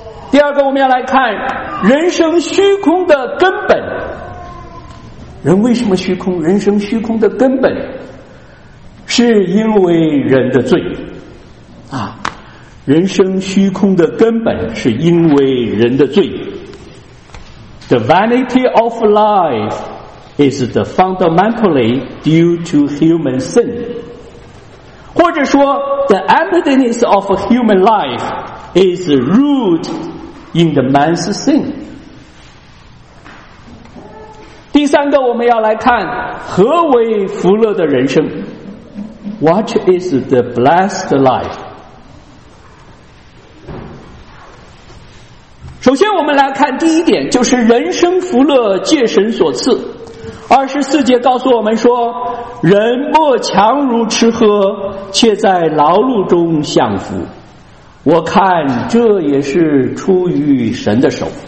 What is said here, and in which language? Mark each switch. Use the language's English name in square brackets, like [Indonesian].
[Chinese] 第二个我们要来看人生虚空的根本。人为什么虚空？人生虚空的根本是因为人的罪啊！人生虚空的根本是因为人的罪。 [English] The vanity of life is the fundamentally due to human sin， [Chinese] 或者说 [English] The emptiness of human life is root in the man's sin。 [Chinese] 第三个我们要来看何为福乐的人生。 [English] What is the blessed life? [Chinese] 首先我们来看第一点，就是人生福乐借神所赐。二十四节告诉我们说，人莫强如吃喝，却在劳碌中享福，我看这也是出于神的手。